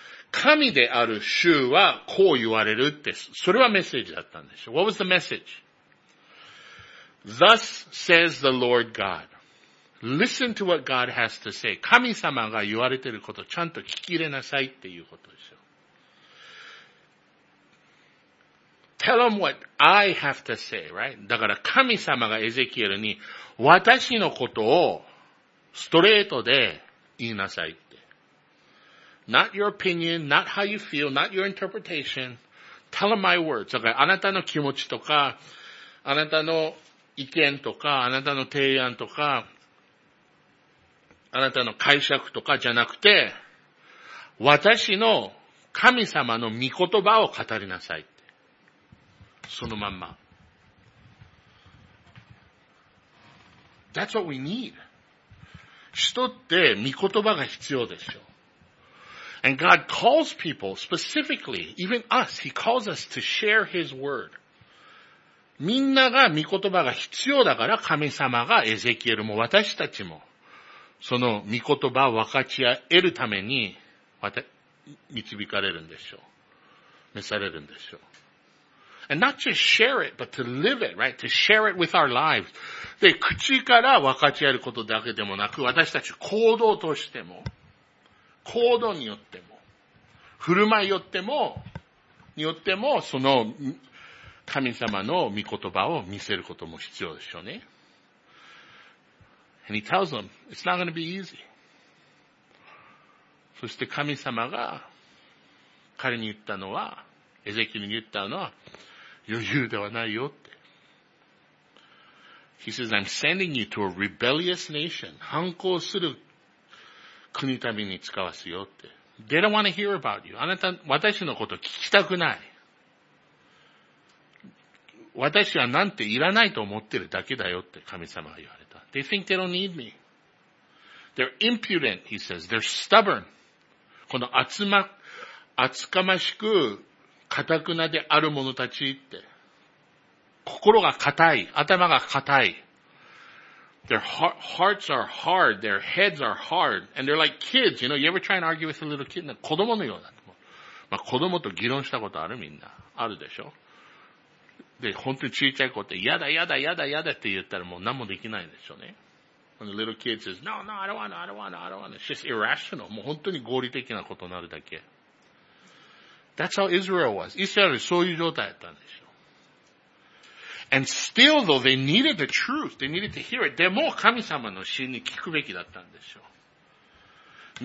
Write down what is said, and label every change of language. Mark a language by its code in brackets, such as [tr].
[ja] 神である主はこう言われるって、それはメッセージだったんですよ。 [en] What was the message? Thus says the Lord God. Listen to what God has to say. [ja] 神様が言われてることをちゃんと聞き入れなさいっていうことですよ。 [en] Tell him what I have to say, right? [ja] だから神様がエゼキエルに私のことをストレートで言いなさいって。 [en] Not your opinion, not how you feel, not your interpretation. Tell him my words. [ja] だからあなたの気持ちとか、あなたの意見とか、あなたの提案とか、あなたの解釈とかじゃなくて、私の神様の御言葉を語りなさい。そのまんま。 [en] That's what we need. [ja] 人って御言葉が必要でしょ。 [en] And God calls people, specifically, even us, He calls us to share His word. [ja] みんなが御言葉が必要だから、神様がエゼキエルも私たちも、その御言葉を分かち得るために、導かれるんでしょう。召されるんでしょう。 [en] And not just share it, but to live it, right? To share it with our lives. [ja] で、口から分かち合えることだけでもなく、私たち行動としても、行動によっても、振る舞いよっても、によっても、その、神様の御言葉を見せることも必要でしょうね。 [en] And he tells them, it's not going to be easy. [ja] そして神様が、彼に言ったのは、エゼキエルに言ったのは、余裕ではないよって。 [en] He says, I'm sending you to a rebellious nation. [ja] 反抗する国民に使わすよって。 [en] They don't want to hear about you. [ja] あなた、私のこと聞きたくない。私はなんていらないと思ってるだけだよって神様が言われた。 [en] They think they don't need me. They're impudent, he says. They're stubborn. [ja] この厚かましく、カタクナである者たちって。心が硬い。頭が硬い。 [en] Their hearts are hard. Their heads are hard. And they're like kids. You know, you ever try and argue with a little kid? [ja] 子供のような。まあ子供と議論したことあるみんな。あるでしょ。で、本当に小さい子って、やだやだやだやだって言ったらもう何もできないでしょうね。 [en] When the little kid says, no, no, I don't wanna, I don't wanna, I don't wanna. It's just irrational. [ja] もう本当に合理的なことになるだけ。 [en] That's how Israel was. Israel [ja] はそういう状態だったんでしょう。 [en] And still though, they needed the truth. They needed to hear it. [ja] でも神様の真に聞くべきだったんでしょう。